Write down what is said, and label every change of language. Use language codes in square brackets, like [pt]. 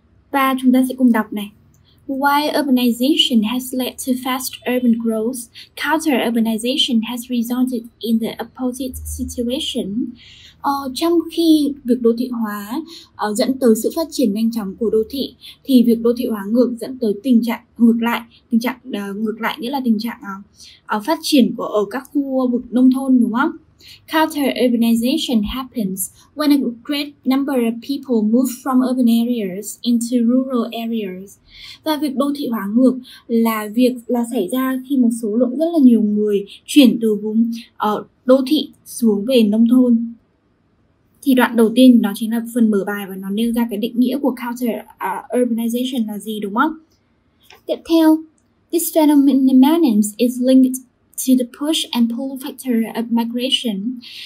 [vi] Và chúng ta sẽ cùng đọc này. [en] While urbanization has led to fast urban growth, counter urbanization has resulted in the opposite situation. [vi] Trong khi việc đô thị hóa dẫn tới sự phát triển nhanh chóng của đô thị, thì việc đô thị hóa ngược dẫn tới tình trạng ngược lại. Tình trạng ngược lại nghĩa là tình trạng phát triển của ở các khu vực nông thôn đúng không? [en] Counter urbanization happens when a great number of people move from urban areas into rural areas. [vi] Và việc đô thị hóa ngược là việc là xảy ra khi một số lượng rất là nhiều người chuyển từ vùng đô thị xuống về nông thôn. Thì đoạn đầu tiên nó chính là phần mở bài và nó nêu ra cái định nghĩa của counter urbanization là gì đúng không? Tiếp theo, [en] this phenomenon is linked to the push and pull factor of migration.